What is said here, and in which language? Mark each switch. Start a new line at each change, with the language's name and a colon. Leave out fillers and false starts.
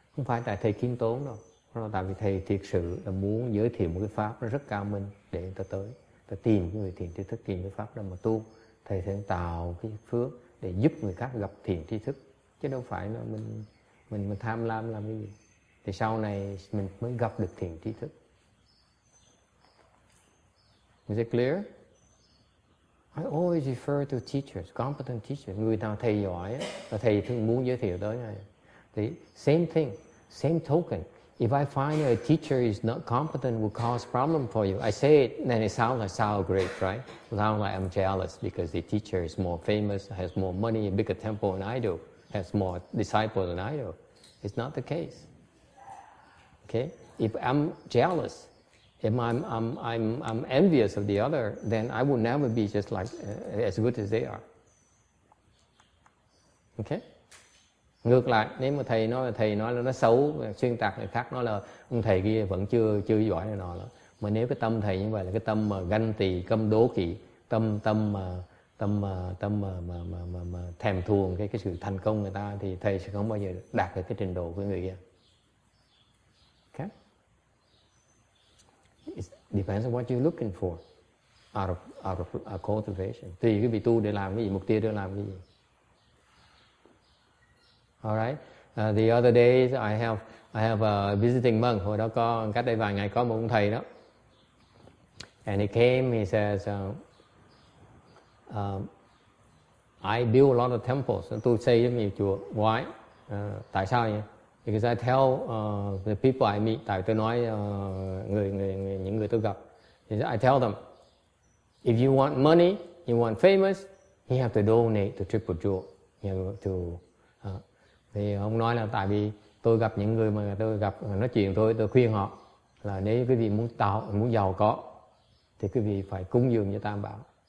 Vietnamese: Không phải tại thầy khiêm tốn đâu, nó tại vì thầy thiệt sự là muốn giới thiệu một cái pháp nó rất cao minh để người ta tới, ta tìm cái người thiền tri thức tìm cái pháp đó mà tu, thầy sẽ tạo cái phước để giúp người khác gặp thiền tri thức, chứ đâu phải là mình tham lam làm cái gì, thì sau này mình mới gặp được thiền tri thức.
English: Is it clear? I always refer to teachers, competent teachers,
Vietnamese: người nào thầy giỏi và thầy thường muốn giới thiệu tới này.
English: The same thing, same token. If I find a teacher is not competent, will cause problem for you. I say it, then it sounds great, right? Sounds like I'm jealous because the teacher is more famous, has more money, a bigger temple than I do, has more disciples than I do. It's not the case. Okay? If I'm jealous, if I'm envious of the other, then I will never be just like as good as they are. Okay?
Vietnamese: Ngược lại, nếu mà thầy nói là nó xấu, xuyên tạc người khác, nói là ông thầy kia vẫn chưa giỏi này nọ lắm. Mà nếu cái tâm thầy như vậy là cái tâm mà ganh tì, câm đố kỵ, tâm mà thèm thuồng cái sự thành công người ta, thì thầy sẽ không bao giờ đạt được cái trình độ của người kia.
English: Okay? It depends on what you're looking for out of cultivation.
Vietnamese: Tùy cái vị tu để làm cái gì, mục tiêu để làm cái gì.
English: All right. The other day I have a visiting monk.
Vietnamese: Hồi đó có cách đây vài ngày có một ông thầy đó.
English: And he came. He says, "I build a lot of temples.
Vietnamese: Tôi xây rất nhiều chùa.
English: Why?
Vietnamese: Tại sao vậy?
English: Because I tell the people I meet.
Vietnamese: Tại tôi nói người những người tôi gặp.
English: He says, I tell them, if you want money, you want famous, you have to donate to triple jewel. You have to."
Vietnamese: Thì ông nói là tại vì tôi gặp những người mà tôi gặp nói chuyện tôi khuyên họ là nếu quý vị muốn giàu có thì quý vị phải cúng dường như Tam Bảo.